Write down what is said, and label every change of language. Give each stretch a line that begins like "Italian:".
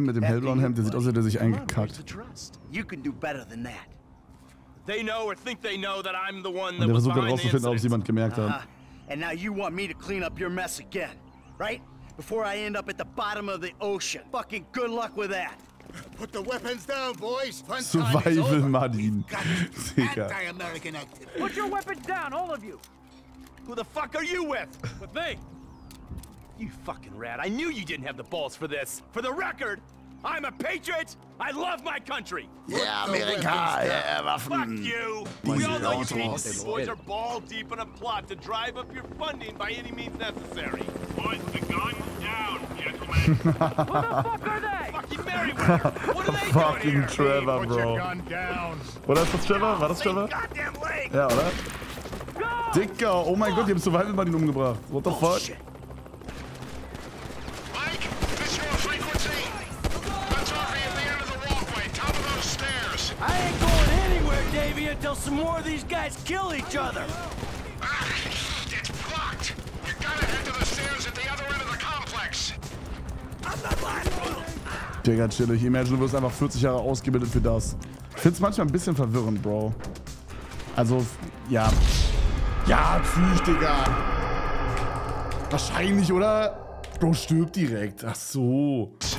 German: Hemd, mit dem hellblauen Hemd, der sieht aus, als hätte er sich eingekackt.
English: You can do better than that. They know or think they know that I'm the one that was behind the incident.
German: Ob jemand gemerkt hat.
English: And now you want me to clean up your mess again, right? Before I end up at the bottom of the ocean. Fucking good luck with that. Put the weapons down, boys. Fun survival, Martin. Anti-American activity. Put your weapons down, all of you. Who the fuck are you with? With me. You fucking rat. I knew you didn't have the balls for this. For the record, I'm a patriot. I love my country. Yeah, America. Yeah, fuck you. We all know you agents and boys are ball deep in a plot to drive up your funding by any means necessary. Put the gun down, gentlemen. Who the fuck are they? Fucking Merryweather. What are they fucking doing here? Fucking Trevor, bro. Put your gun down. What else was Trevor? What else Trevor? Goddamn leg.
German: Yeah, oder? Dicker, oh mein Gott, die haben Survival Martin umgebracht.
English: What the fuck? Shit. Mike, this your frequency. That's off at the end of the walkway, top of those stairs. I ain't going anywhere, Davy, until some more of these guys kill each other. It's blocked. You gotta head to the stairs at the other end of the complex. I'm not lying.
German: Digga, chill, ich imagine, du wirst einfach 40 Jahre ausgebildet für das. Ich find's manchmal ein bisschen verwirrend, Bro. Also, ja. Ja, natürlich, Digga. Wahrscheinlich, oder? Bro, stirbt direkt. Ach so.